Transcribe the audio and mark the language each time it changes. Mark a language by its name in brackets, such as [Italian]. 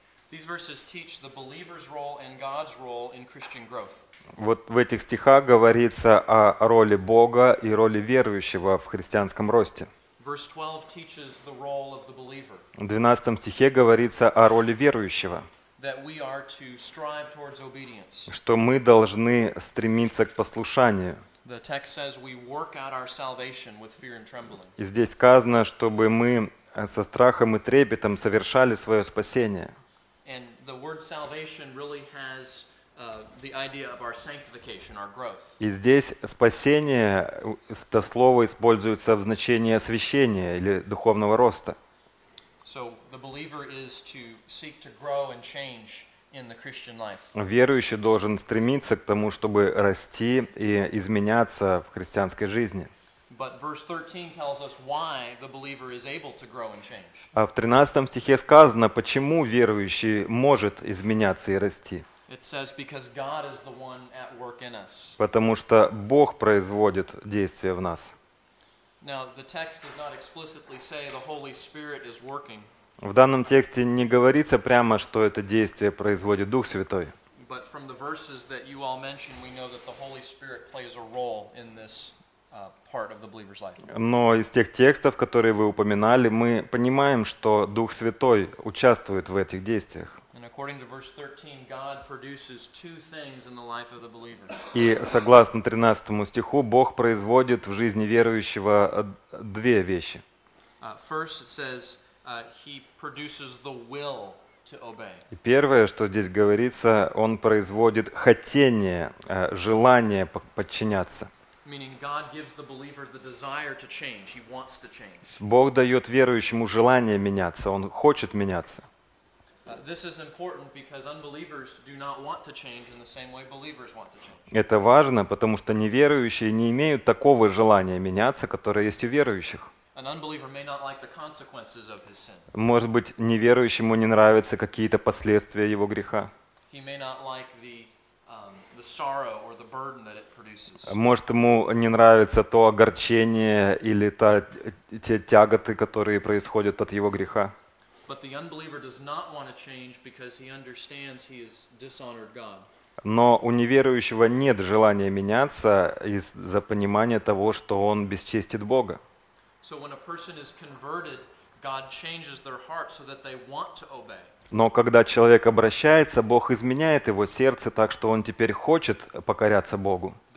[English] These verses teach the believer's role and God's role in Christian growth. [Russian] Вот в этих стихах говорится о роли Бога и роли верующего в христианском росте. [English] Verse 12 teaches the role of the believer. [Russian] В 12 стихе говорится о роли верующего. [English] That we are to strive towards obedience. [Russian] Что мы должны стремиться к послушанию. [English] The text says we work out our salvation with fear and trembling. [Russian] И здесь сказано, чтобы мы со страхом и трепетом совершали свое спасение. [English] And the word salvation really has the idea of our sanctification, our growth. [Russian] И здесь спасение, это слово используется в значении освящения или духовного роста. [English] So the believer is to seek to grow and change in the Christian life. [Russian] Верующий должен стремиться к тому, чтобы расти и изменяться в христианской жизни. [English] But verse 13 tells us why the believer is able to grow and change. [Russian] А в 13 стихе сказано, почему верующий может изменяться и расти. [English] It says because God is the one at work in us. [Russian] Потому что Бог производит действие в нас. [English] Now the text does not explicitly say the Holy Spirit is working. [Russian] В данном тексте не говорится прямо, что это действие производит Дух Святой. [English] But from the verses that you all mentioned, we know that the Holy Spirit plays a role in this. Part of the believer's life. [Russian] Но из тех текстов, которые вы упоминали, мы понимаем, что Дух Святой участвует в этих действиях. [English] And according to verse 13, God produces two things in the life of the believer. [Russian] И согласно 13 стиху, Бог производит в жизни верующего две вещи. [English] First it says, he produces the will to obey. [Russian] И первое, что здесь говорится, он производит хотение, желание подчиняться. [English] Meaning God gives the believer the desire to change. He wants to change. [Russian] Бог дает верующему желание меняться. Он хочет меняться. [English] This is important because unbelievers do not want to change in the same way believers want to change. [Russian] Это важно, потому что неверующие не имеют такого желания меняться, которое есть у верующих. [English] An unbeliever may not like the consequences of his sin. [Russian] Может быть, неверующему не нравятся какие-то последствия его греха. [English] He may not like the sorrow or the burden that it produces. [Russian] Может, ему не нравится то огорчение или те тяготы, которые происходят от его греха. [English] But the unbeliever does not want to change because he understands he has dishonored God. [Russian] Но у неверующего нет желания меняться из-за понимания того, что он бесчестит Бога. [English] So when a person is converted, God changes their heart so that they want to obey. [Russian] Но когда человек обращается, Бог изменяет его сердце так, что он теперь хочет покоряться Богу.